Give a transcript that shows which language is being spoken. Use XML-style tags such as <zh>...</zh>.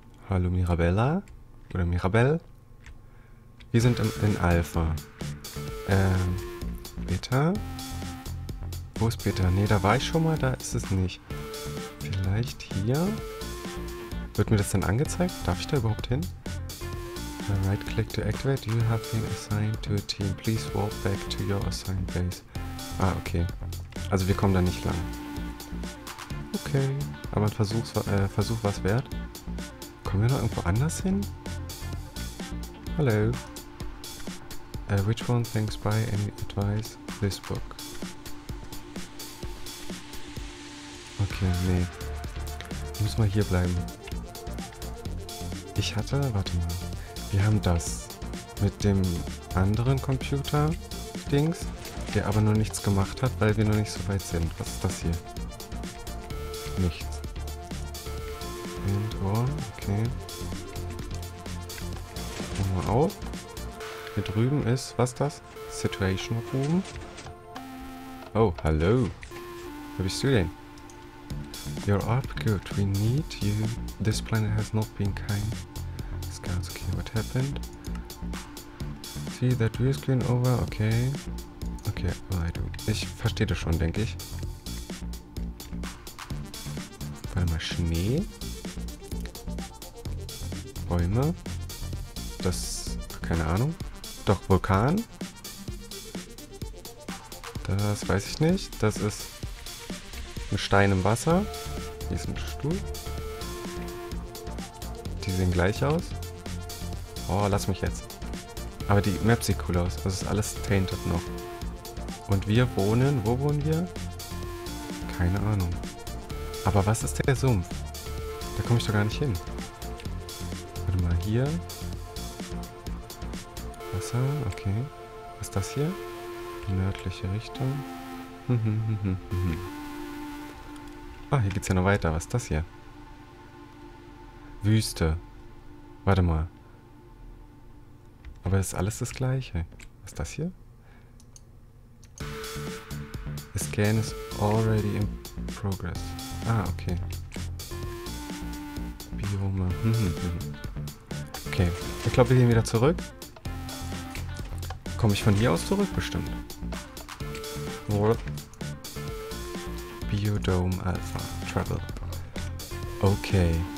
<de>Hallo Mirabella. Oder Mirabelle. Wir sind in Alpha. Beta. Wo ist Beta? Ne, da war ich schon mal, da ist es nicht. Vielleicht hier. Wird mir das denn angezeigt? Darf ich da überhaupt hin?</de> <en>Right click to activate. You have been assigned to a team. Please walk back to your assigned base.</en> <de>Ah, okay. Also wir kommen da nicht lang. Okay. Aber ein Versuch war es wert. Kommen wir noch irgendwo anders hin? Hallo.</de> <en>Which one thinks by any advice? This book.</en> <de>Okay, nee. Müssen wir hier bleiben. Ich hatte... Warte mal. Wir haben das. Mit dem anderen Computer-Dings. Der aber noch nichts gemacht hat, weil wir noch nicht so weit sind. Was ist das hier? Nichts.</de> <en>And on.</en> <de>Okay. Machen wir auf. Hier drüben ist, was ist das? Situation Room. Oh, hallo. Wer bist du denn?</de> <en>You're up, good. We need you. This planet has not been kind. Scouts, okay, what happened? See that view screen over, okay. Okay, right.</en> <de>Ich verstehe das schon, denke ich. Warte mal, Schnee. Bäume. Das, keine Ahnung. Doch, Vulkan. Das weiß ich nicht. Das ist ein Stein im Wasser. Hier ist ein Stuhl. Die sehen gleich aus. Oh, lass mich jetzt. Aber die Map sieht cool aus. Das ist alles tainted noch. Und wir wohnen... Wo wohnen wir? Keine Ahnung. Aber was ist der Sumpf? Da komme ich doch gar nicht hin. Warte mal, hier... Wasser, okay. Was ist das hier? Die nördliche Richtung. Ah, hier geht's ja noch weiter. Was ist das hier? Wüste. Warte mal. Aber es ist alles das Gleiche. Was ist das hier?</de> <en>The scan is already in progress. Ah, okay. Biome.</en> <de>Okay, ich glaube, wir gehen wieder zurück. Komme ich von hier aus zurück, bestimmt. Biodome Alpha. Travel. Okay.</de>